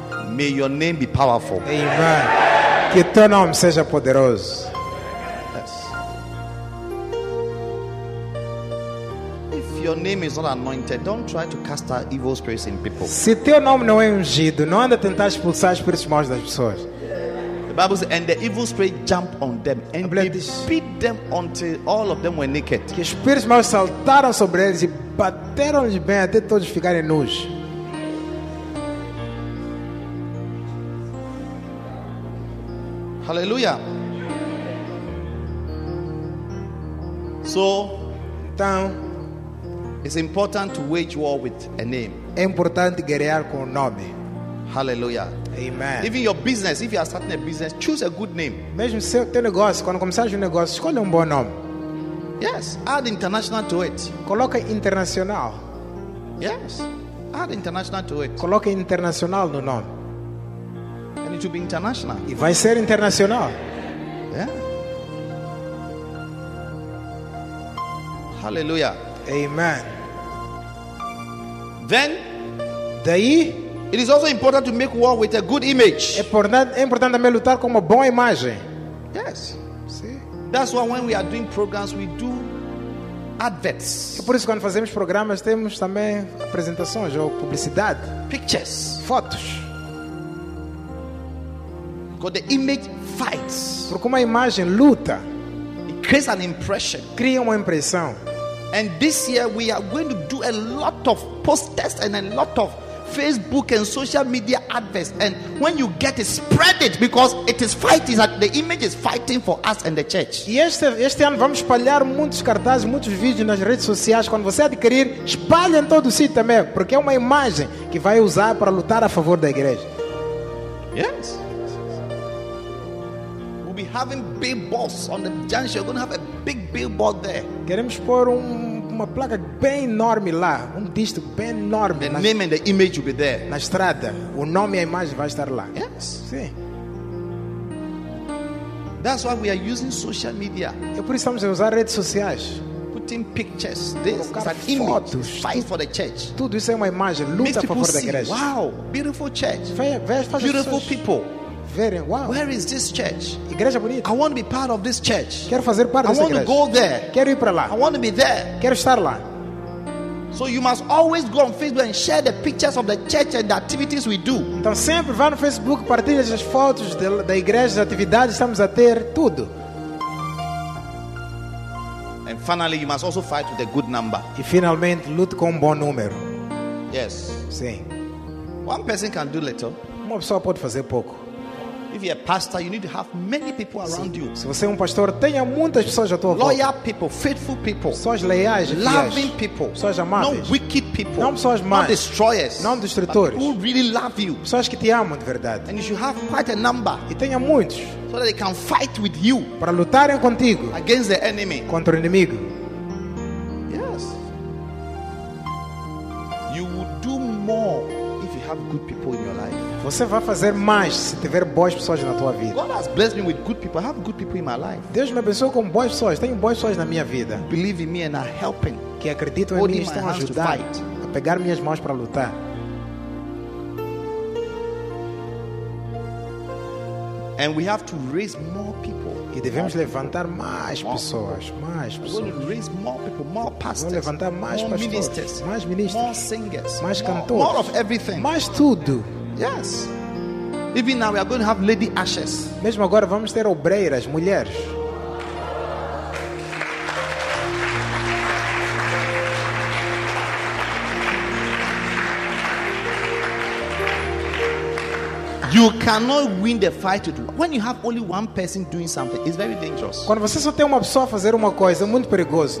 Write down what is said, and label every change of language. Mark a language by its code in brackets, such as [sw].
[en] May your name be powerful. [pt] Amen. Que teu nome seja poderoso. [en] Yes. If your name is not anointed, don't try to cast out evil spirits in people. [pt] Se teu nome não é ungido, não anda a tentar expulsar espíritos maus das pessoas. [en] The Bible says, and the evil spirit jumped on them and beat them until all of them were naked. [pt] Que espíritos maus saltaram sobre eles e bateram-lhes bem até todos ficarem nus. [en] Hallelujah. So, [pt] então, [en] it's important to wage war with a name. [pt] É importante guerrear com o nome. [en] Hallelujah. Amen. Even your business, if you are starting a business, choose a good name. [pt] Mesmo seu teu negócio, quando começar um negócio, escolha bom nome. [en] Yes, add international to it. [pt] Coloca internacional. [en] Yes, add international to it. [pt] Coloca internacional no nome. [en] And it will be international. [pt] E vai ser internacional. [en] Yeah. Hallelujah. Amen. Then, [pt] daí, [en] it is also important to make war with a good image. [pt] É importante também lutar com uma boa imagem. [en] Yes. See? That's why when we are doing programs, we do adverts. [pt] É por isso quando fazemos programas temos também apresentações ou publicidade. [en] Pictures. [pt] Fotos. [en] The image fights. [pt] Porque uma imagem luta. [en] It creates an impression. [pt] Cria uma impressão. [en] And this year we are going to do a lot of posters and a lot of Facebook and social media adverts, and when you get it, spread it, because it is fighting, the image is fighting for us and the church. [pt] E este ano vamos espalhar muitos cartazes, muitos vídeos nas redes sociais. Quando você adquirir, espalhe em todo o sítio também, porque é uma imagem que vai usar para lutar a favor da igreja. [en] Yes. We'll be having billboards on the junction. We're going to have a big billboard there. [pt] Queremos pôr uma placa bem enorme lá, disco bem enorme. [en] The name and the image will be there. [pt] Na estrada, o nome e a imagem vai estar lá. [en] Yes. [pt] Sim. [en] That's why we are using social media. [pt] É por isso que estamos a usar redes sociais. [en] Putting pictures, this is an image. Fight for the church. [pt] Tudo isso é uma imagem. Luta a favor da igreja. [en] Wow, beautiful church. Beautiful people. Wow. Where is this church? [pt] Igreja bonita. [en] I want to be part of this church. [pt] Quero fazer parte dessa igreja. [en] I want to go there. [pt] Quero ir para lá. [en] I want to be there. [pt] Quero estar lá. [en] So you must always go on Facebook and share the pictures of the church and the activities we do. [pt] Então sempre vá no Facebook, partilhe as fotos da igreja, as atividades estamos a ter, tudo. [en] And finally, you must also fight with a good number. [pt] E finalmente lute com bom número. [en] Yes. [pt] Sim. [en] One person can do little. [pt] Uma pessoa pode fazer pouco. [en] If you're a pastor, you need to have many people around you. [pt] Se você é pastor, tenha muitas pessoas à tua volta. [en] Loyal people, faithful people. [pt] Pessoas leais, [en] loving people. [pt] Pessoas amáveis. [en] Not wicked people. [pt] Não pessoas más. [en] Not destroyers. [pt] Não destrutores. [en] But people really love you. [pt] Pessoas que te amam de verdade. [en] And you should have quite a number. [pt] E tenha muitos. [en] So that they can fight with you. [pt] Para lutarem contigo. [en] Against the enemy. [pt] Contra o inimigo. [en] Yes. You will do more. Have good people in your life. [pt] Você vai fazer mais se tiver boas pessoas na tua vida. [en] God has blessed me with good people. I have good people in my life. [pt] Deus me abençoou com boas pessoas. Tenho boas pessoas na minha vida. [en] Believe in me and are helping. [pt] Que acreditam em mim e estão a ajudar a pegar minhas mãos para lutar. [en] And we have to raise more people. [pt] E devemos levantar mais pessoas, mais pessoas. [en] More people, more pastors, [pt] levantar mais [en] more [pt] pastores, [en] ministers, [pt] mais ministros, [en] more singers, [pt] mais [en] more, [pt] cantores, [en] more of everything, [pt] mais tudo. [en] Yes. Even now we are going to have lady ashes. [pt] Mesmo agora vamos ter obreiras, mulheres. [en] You cannot win the fight to do. When you have only one person doing something, it's very dangerous. [pt] Quando você só tem uma pessoa a fazer uma coisa, é muito perigoso.